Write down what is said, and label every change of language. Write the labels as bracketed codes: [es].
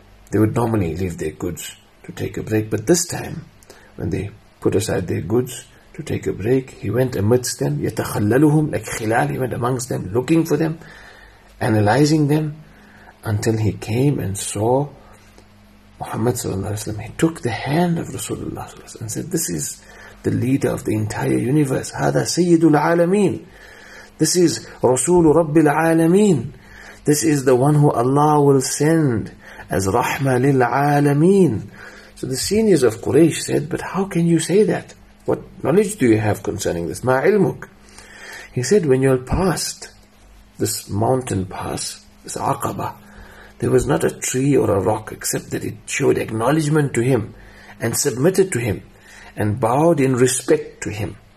[en] They would normally leave their goods to take a break, but this time, when they put aside their goods to take a break, he went amidst them, [ar] يَتَخَلَّلُهُمْ [en] like khilal, he went amongst them, looking for them, analyzing them, until he came and saw Muhammad sallallahu alayhi wa sallam. He took the hand of Rasulullah sallallahu alayhi wa sallam and said, this is the leader of the entire universe. [ar] هَذَا سَيِّدُ الْعَالَمِينَ. [en] This is [ar] رَسُولُ رَبِّ الْعَالَمِينَ. [en] This is the one who Allah will send as [ar] رَحْمَ لِلْعَالَمِينَ. [en] So the seniors of Quraysh said, but how can you say that? What knowledge do you have concerning this? [ar] Ma ilmuk. [en] He said, when you passed this mountain pass, this Aqaba, there was not a tree or a rock except that it showed acknowledgement to him and submitted to him and bowed in respect to him.